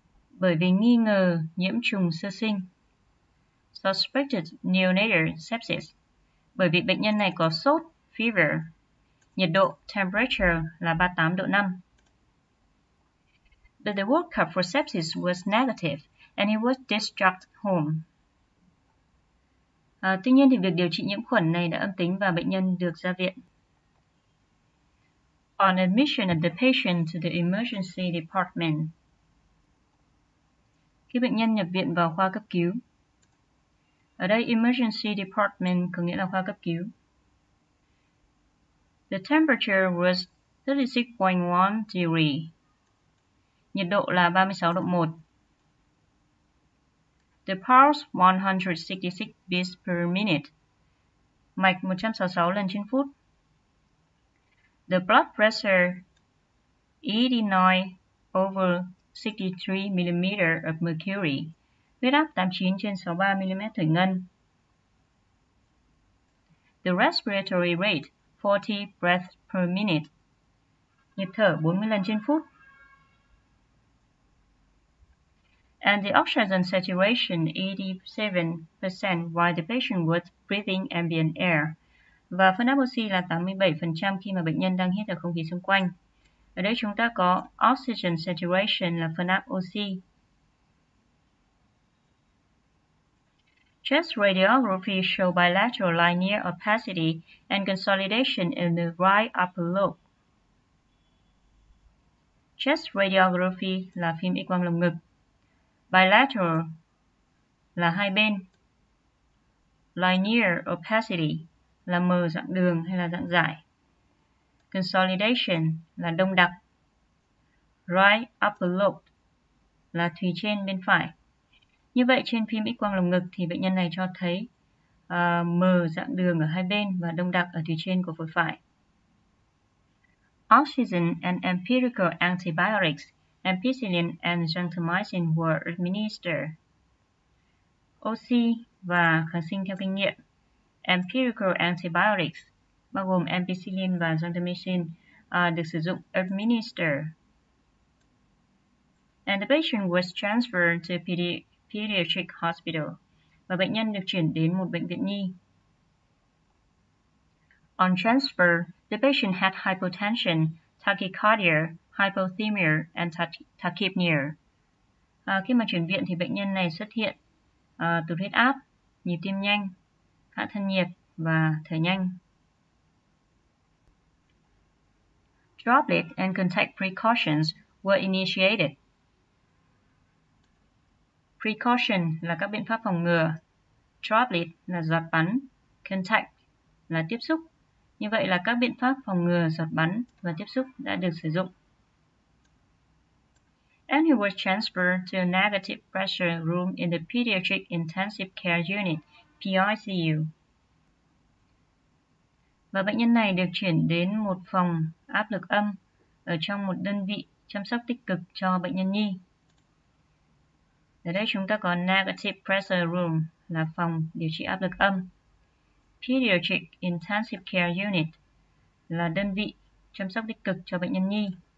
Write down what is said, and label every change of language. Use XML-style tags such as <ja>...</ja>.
<vi>Bởi vì nghi ngờ nhiễm trùng sơ sinh.</vi> <en>Suspected neonatal sepsis.</en> <vi>Bởi vì bệnh nhân này có sốt, fever, nhiệt độ, temperature là 38 độ 5.</vi> <en>But the workup for sepsis was negative and he was discharged home.</en> <vi>Tuy nhiên thì việc điều trị nhiễm khuẩn này đã âm tính và bệnh nhân được ra viện.</vi> <en>On admission of the patient to the emergency department.</en> <vi>Khi bệnh nhân nhập viện vào khoa cấp cứu. Ở đây, emergency department có nghĩa là khoa cấp cứu.</vi> <en>The temperature was 36.1 degrees.</en> <vi>Nhiệt độ là 36 độ 1.</vi> <en>The pulse 166 beats per minute.</en> <vi>Mạch 166 lần trên phút.</vi> <en>The blood pressure 89 over 63 millimeter of mercury.</en> <vi>Huyết áp 89 trên 63 mm thủy ngân.</vi> <en>The respiratory rate 40 breaths per minute.</en> <vi>Nhịp thở 40 lần trên phút.</vi> <en>And the oxygen saturation 87% while the patient was breathing ambient air.</en> <vi>Và phân áp oxy là 87% khi mà bệnh nhân đang hít ở không khí xung quanh. Ở đây chúng ta có oxygen saturation là phân áp oxy.</vi> <en>Chest radiography show bilateral linear opacity and consolidation in the right upper lobe.</en> <vi>Chest radiography là phim X quang lồng ngực. Bilateral là hai bên. Linear opacity là mờ dạng đường hay là dạng dải. Consolidation là đông đặc. Right upper lobe là thùy trên bên phải. Như vậy trên phim X quang lồng ngực thì bệnh nhân này cho thấy mờ dạng đường ở hai bên và đông đặc ở thùy trên của phổi phải.</vi> <en>Oxygen and empirical antibiotics, ampicillin and gentamicin were administered.</en> <vi>Oxy và kháng sinh theo kinh nghiệm. Empirical antibiotics bao gồm ampicillin và gentamicin được sử dụng administer.</vi> <en>And the patient was transferred to a pediatric hospital.</en> <vi>Và bệnh nhân được chuyển đến một bệnh viện nhi.</vi> <en>On transfer, the patient had hypotension, tachycardia, hypothermia and tachypnea.</en> <vi>Khi mà chuyển viện thì bệnh nhân này xuất hiện tụt huyết áp, nhịp tim nhanh, hạ thân nhiệt và thở nhanh.</vi> <en>Droplet and contact precautions were initiated.</en> <vi>Precaution là các biện pháp phòng ngừa. Droplet là giọt bắn. Contact là tiếp xúc. Như vậy là các biện pháp phòng ngừa giọt bắn và tiếp xúc đã được sử dụng.</vi> <en>And he was transferred to a negative pressure room in the pediatric intensive care unit, PICU.</en> <vi>Và bệnh nhân này được chuyển đến một phòng áp lực âm ở trong một đơn vị chăm sóc tích cực cho bệnh nhân nhi. Ở đây chúng ta có negative pressure room là phòng điều trị áp lực âm. Pediatric intensive care unit là đơn vị chăm sóc tích cực cho bệnh nhân nhi.</vi>